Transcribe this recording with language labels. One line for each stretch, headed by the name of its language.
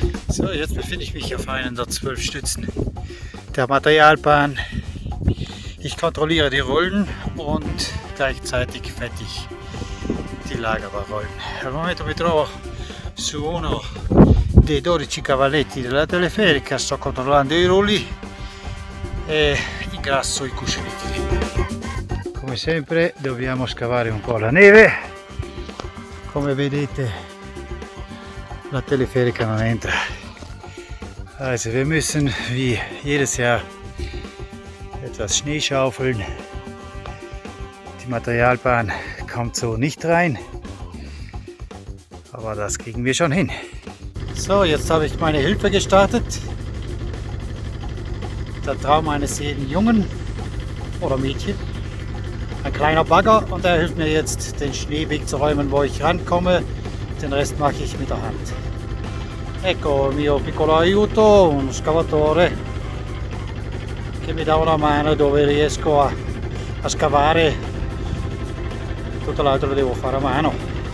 German: So, jetzt befinde ich mich auf einen der 12 Stützen der Materialbahn. Ich kontrolliere die Rollen und gleichzeitig fette ich die Lagerbarrollen.
Italian: Al momento mi trovo su uno dei 12 cavalletti della teleferica, sto controllando i rulli e ingrasso i cuscinetti. Come sempre dobbiamo scavare un po' la neve. Come vedete la teleferica non entra.
German: Also wir müssen wie jedes Jahr etwas Schnee schaufeln. Die Materialbahn kommt so nicht rein. Aber das kriegen wir schon hin. So, jetzt habe ich meine Hilfe gestartet. Der Traum eines jeden Jungen oder Mädchen. Ein kleiner Bagger und er hilft mir jetzt, den Schneeweg zu räumen, wo ich rankomme. Den Rest mache ich mit der Hand.
Italian: Ecco il mio piccolo aiuto, uno scavatore che mi dà una mano dove riesco a scavare, tutto l'altro lo devo fare a mano.